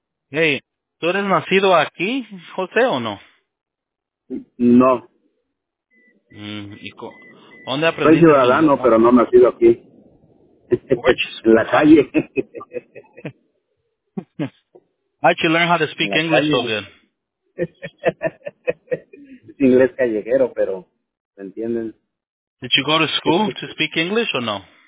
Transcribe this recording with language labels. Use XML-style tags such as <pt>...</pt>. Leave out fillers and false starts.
<es>Hey, ¿tú eres nacido aquí, José, o no? No. ¿Y dónde aprendiste? Soy ciudadano, pero no nacido aquí. En la calle.</es> <en>How'd you learn how to speak English so good?</en> <es>Es inglés callejero, pero ¿me entienden?</es> <en>Did you go to school to speak English or no?</en>